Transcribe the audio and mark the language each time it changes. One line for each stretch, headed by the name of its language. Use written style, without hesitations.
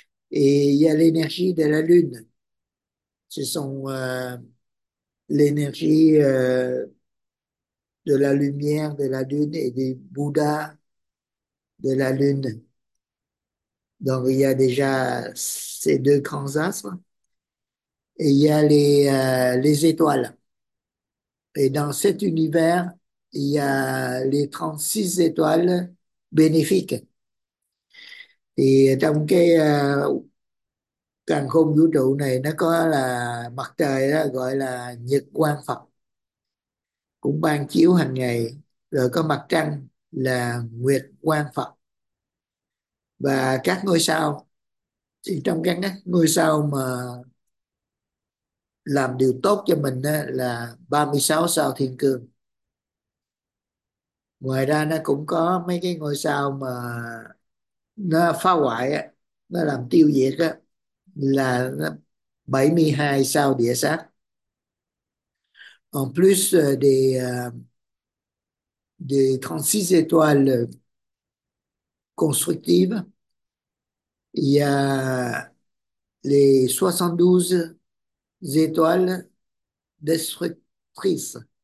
French: Et il y a l'énergie de la lune. Ce sont l'énergie de la lumière de la lune et des Bouddhas de la lune. Donc il y a déjà ces deux grands astres. Et il y a les étoiles. Et dans cet univers, il y a les 36 étoiles bénéfiques. Et donc,
Vietnamese: càng không vũ trụ này nó có là mặt trời đó, gọi là nhật quang Phật cũng ban chiếu hàng ngày, rồi có mặt trăng là nguyệt quang Phật và các ngôi sao. Thì trong các ngôi sao mà làm điều tốt cho mình đó là 36 sao thiên cương. Ngoài ra nó cũng có mấy cái ngôi sao mà nó phá hoại á, nó làm tiêu diệt á, là 72 sao địa sát.
French: En plus des 36 étoiles constructives, il y a les 72 étoiles destructrices.